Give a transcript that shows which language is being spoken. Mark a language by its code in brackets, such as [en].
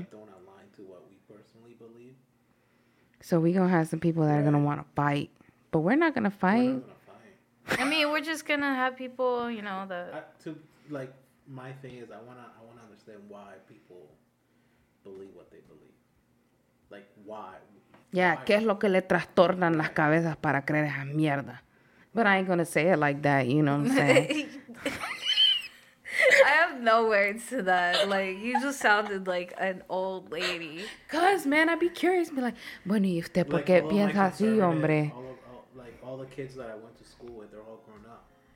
[en] that don't align to what we personally believe. So we gonna have some people that right. are gonna wanna fight. But we're not gonna fight. We're not gonna fight. I mean, we're just gonna have people, you know, my thing is I wanna understand why people believe what they believe. Like why. Yeah, why [es] ¿qué es lo que le trastornan las cabezas para creer esa mierda? [en] But I ain't gonna say it like that, you know what I'm saying? I have no words to that. Like, you just sounded like an old lady. Because, man, I'd be curious. Be like, [es] bueno, ¿y usted por qué piensa así, hombre? [en] All the kids that I went to school with, they're all grown up.